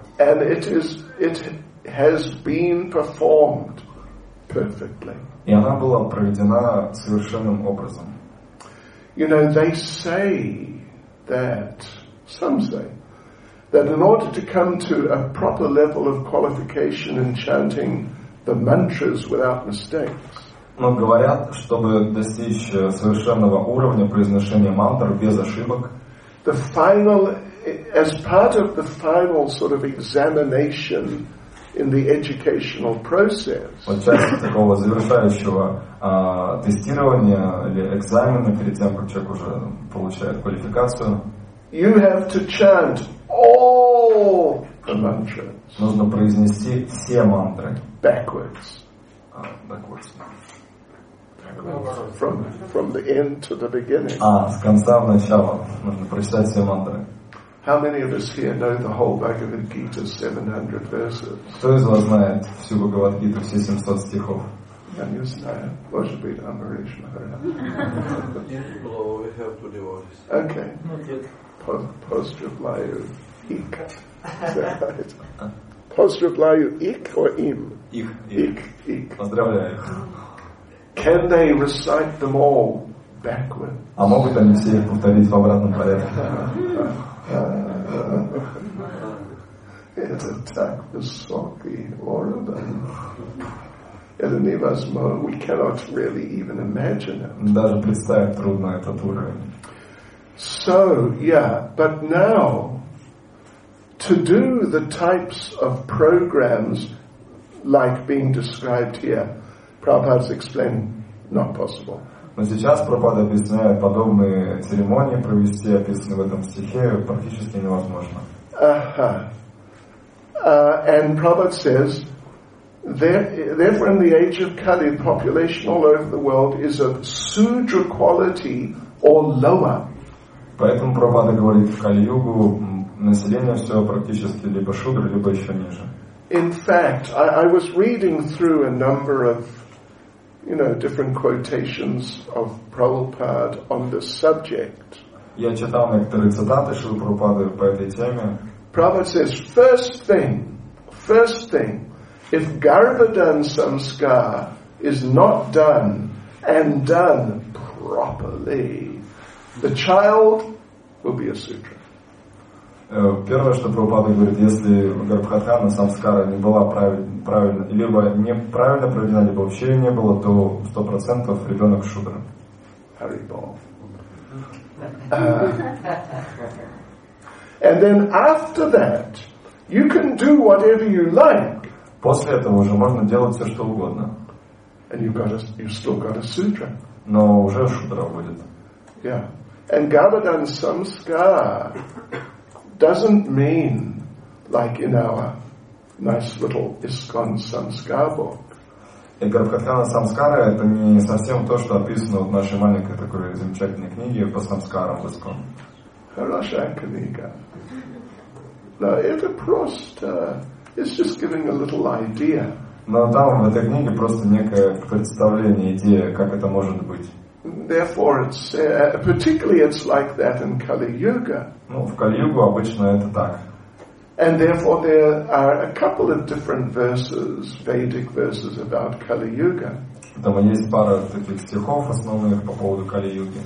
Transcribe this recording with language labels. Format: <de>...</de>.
<en>And it has been performed perfectly.</en> <ru>И она была проведена совершенным образом.</ru> <en>You know, they say that, some say, that in order to come to a proper level of qualification in chanting the mantras without mistakes,</en> <ru>но говорят, чтобы достичь совершенного уровня произношения мантр без ошибок,</ru> <en>the final, as part of the final sort of examination in the educational process,</en> <ru>вот часть такого завершающего тестирования или экзамена перед тем, как человек уже получает квалификацию,</ru> <en>you have to chant all the mantras.</en> <ru>Нужно произнести все мантры.</ru> <en>Backwards. Backwards. From the end to the beginning.</en> <ru>А, с конца в начало. Нужно прочитать все мантры.</ru> <en>How many of us here know the whole Bhagavad Gita 700 verses?</en> <ru>Кто из вас знает всю Бхагавад Гиту, все 700 стихов? Я не знаю. Может быть, Амбариш Махарадж. Нет, было,</ru> <en>we have to devotees. Okay. Not yet. Postreplyu ik or im?</en> <ru>Ik. Поздравляю.</ru> <en>Can they recite them all backwards?</en> <ru>А могут они все их повторить в обратном порядке? Это так высокий уровень.</ru> <en>We cannot really even imagine it.</en> <ru>Даже представить трудно этот уровень.</ru> <en>So, yeah, but now, to do the types of programs like being described here, Prabhupada's explained, not possible.</en> <ru>Но сейчас Прабхупада объясняет, подобные церемонии провести, описанные в этом стихе, практически невозможно.</ru> <en>And Prabhupada says, therefore in the age of Kali, the population all over the world is of sudra quality or lower.</en> <ru>Поэтому Прабхупада говорит, в Кали-Югу население все практически либо шудра, либо еще ниже.</ru> <en>In fact, I was reading through a number of, you know, different quotations of Prabhupada on this subject.</en> <ru>Я читал некоторые цитаты Шрилы Прабхупады по этой теме.</ru> <en>Prabhupada says, first thing, if Garbhodhan Samskar is not done and done properly, the child will be a sutra.</en> <ru>Первое, что Прабхупада говорит, если Гарбхатхана Самскара не была правильно, либо неправильно проведена, либо вообще не было, то 100% ребенок шудра. Харибол.</ru> <en>And then after that, you can do whatever you like.</en> <ru>После этого уже можно делать все, что угодно.</ru> <en>And you've still got a sutra.</en> <ru>Но уже шудра будет.</ru> <en>Yeah. And Garbhodhan Samskar doesn't mean, like in our nice little ISKCON Samskar book.</en> <ru>И Гарбхатхана Самскара — это не совсем то, что описано в нашей маленькой такой замечательной книге по самскарам в ISKCON. Хорошая книга. Но это просто...</ru> <en>It's just giving a little idea.</en> <ru>Но там в этой книге просто некое представление, идея, как это может быть.</ru> <en>Therefore, it's particularly it's like that in Kali Yuga.</en> <ru>Ну, в Кали-Югу обычно это так.</ru> <en>And therefore, there are a couple of different verses, Vedic verses about Kali Yuga.</en> <ru>Там есть пара таких стихов основных по поводу Кали Юги.</ru>